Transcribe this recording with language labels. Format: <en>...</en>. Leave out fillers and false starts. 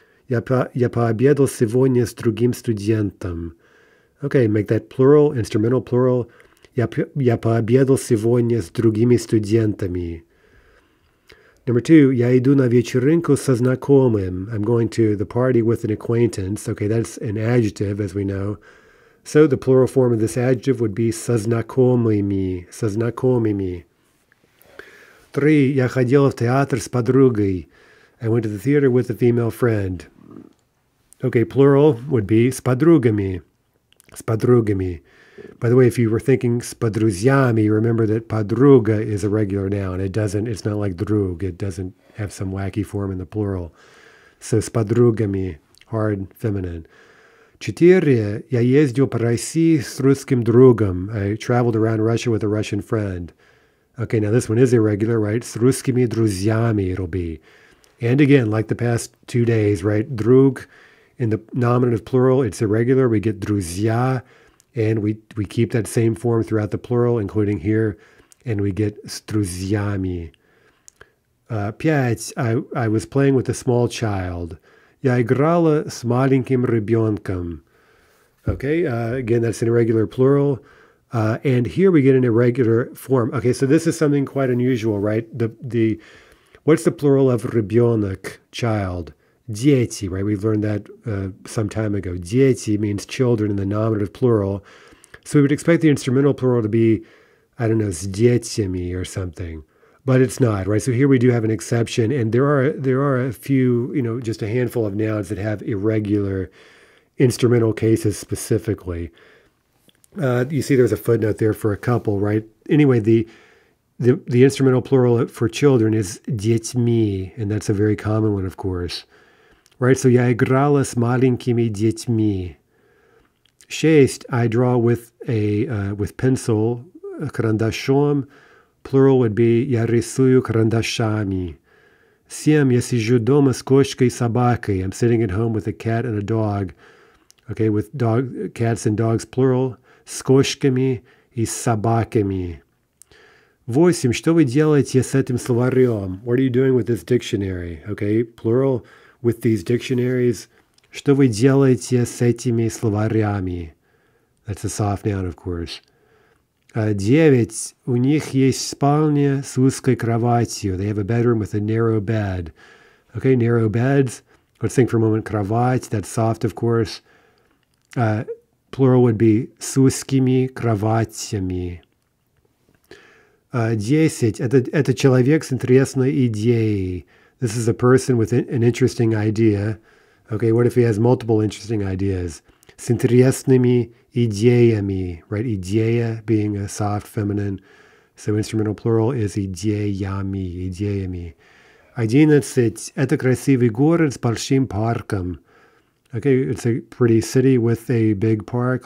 <ru>Я пообедал сегодня с другим студентом.</ru> <en>Okay, make that plural, instrumental plural.</en> <ru>Я пообедал сегодня с другими студентами.</ru> <en>Number two,</en> <ru>я иду на вечеринку со знакомым.</ru> <en>I'm going to the party with an acquaintance. Okay, that's an adjective, as we know. So the plural form of this adjective would be</en> <ru>со знакомыми, со знакомыми. Three, я ходил в театр с подругой.</ru> <en>I went to the theater with a female friend. Okay, plural would be</en> <ru>с подругами, с подругами.</ru> <en>By the way, if you were thinking</en> <ru>с подрузьями,</ru> <en>remember that подруга is a regular noun. It's not like друг. It doesn't have some wacky form in the plural. So</en> <ru>с подругами,</ru> <en>hard feminine.</en> <ru>Четыре, я ездил по России с русским другом.</ru> <en>I traveled around Russia with a Russian friend. Okay, now this one is irregular, right?</en> <ru>С русскими друзьями</ru> <en>it'll be. And again, like the past 2 days, right? Друг, in the nominative plural, it's irregular. We get друзья, and we keep that same form throughout the plural, including here, and we get</en> <ru>с друзьями.</ru> <en>Пять, I was playing with a small child.</en> <ru>Я играла с маленьким ребенком.</ru> <en>Okay, again, that's an irregular plural. And here we get an irregular form. Okay, so this is something quite unusual, right? What's the plural of ребенок, child? Дети, right? We've learned that some time ago. Дети means children in the nominative plural. So we would expect the instrumental plural to be, I don't know,</en> <ru>с детьми</ru> <en>or something. But it's not, right? So here we do have an exception. And there are a few, you know, just a handful of nouns that have irregular instrumental cases specifically. You see there's a footnote there for a couple, right? Anyway, the instrumental plural for children is детьми, and that's a very common one, of course. Right, so</en> <ru>я играла с маленькими детьми. Шесть,</ru> <en>I draw with a pencil, карандашом. Plural would be</en> <ru>я рисую карандашами. Семь, я сижу дома с кошкой и собакой.</ru> <en>I'm sitting at home with a cat and a dog. Okay, with dog, cats and dogs, plural.</en> <ru>С кошками и собаками. Восемь, что вы делаете с этим словарем?</ru> <en>What are you doing with this dictionary? Okay, plural. With these dictionaries,</en> <ru>что вы делаете с этими словарями?</ru> <en>That's a soft noun, of course.</en> <ru>Девять, у них есть спальня с узкой кроватью.</ru> <en>They have a bedroom with a narrow bed. Okay, narrow beds. Let's think for a moment. Кровать, that's soft, of course. Plural would be</en> <ru>с узкими кроватями. Десять, это человек с интересной идеей.</ru> <en>This is a person with an interesting idea. Okay, what if he has multiple interesting ideas?</en> <ru>С интересными идеями,</ru> <en>right? Идея being a soft feminine. So instrumental plural is идеями, идеями. Одиннадцать.</en> <ru>Это красивый город с большим парком.</ru> <en>Okay, it's a pretty city with a big park.</en>